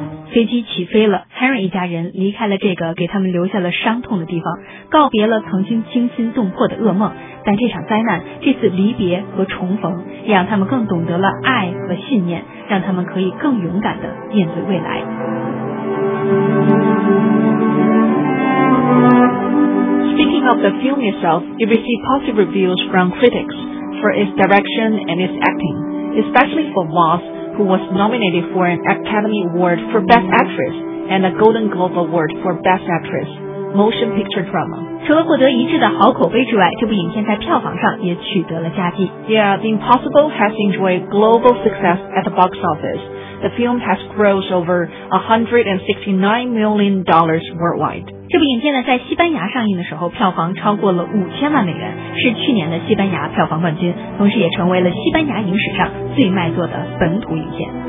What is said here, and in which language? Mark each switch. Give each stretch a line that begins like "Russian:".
Chinese: 飞机起飞了， Henry 一家人离开了这个给他们留下了伤痛的地方，告别了曾经惊心动魄的噩梦。但这场灾难，这次离别和重逢，让他们更懂得了爱和信念，让他们可以更勇敢地面对未来。
English: Speaking of the film itself, it received positive reviews from critics for its direction and its acting, especially for Moss. Who was nominated for an Academy Award for Best Actress and a Golden Globe Award for Best Actress, Motion Picture Drama.
Chinese: 除了获得一致的好口碑之外，这部影片在票房上也取得了佳绩。
English: Yeah, The Impossible has enjoyed global success at the box office. The film has grossed over $169 million worldwide.
Chinese: 这部影片呢，在西班牙上映的时候，票房超过了$50 million，是去年的西班牙票房冠军，同时也成为了西班牙影史上最卖座的本土影片。